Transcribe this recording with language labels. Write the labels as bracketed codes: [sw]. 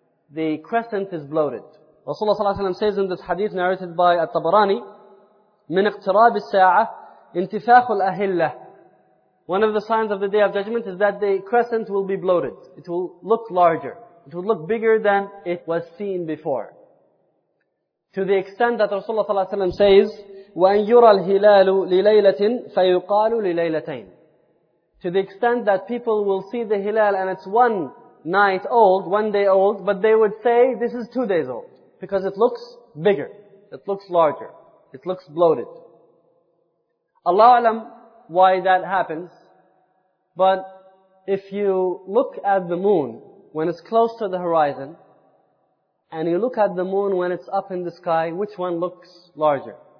[en] The crescent is bloated. Rasulullah ﷺ says in this hadith narrated by At-Tabarani, [ar] "Min iqtirab as-sa'ah, intifakhul ahillah." [en] One of the signs of the Day of Judgment is that the crescent will be bloated. It will look larger. It will look bigger than it was seen before. To the extent that Rasulullah ﷺ says, [ar] "وَأَن يُرَى الْهِلَالُ لِلَيْلَةٍ فَيُقَالُ لِلَيْلَتَيْنِ." [en] To the extent that people will see the hilal and it's one night old, one day old, but they would say this is 2 days old. Because it looks bigger. It looks larger. It looks bloated. Allah alam why that happens. But if you look at the moon when it's close to the horizon, and you look at the moon when it's up in the sky, which one looks larger?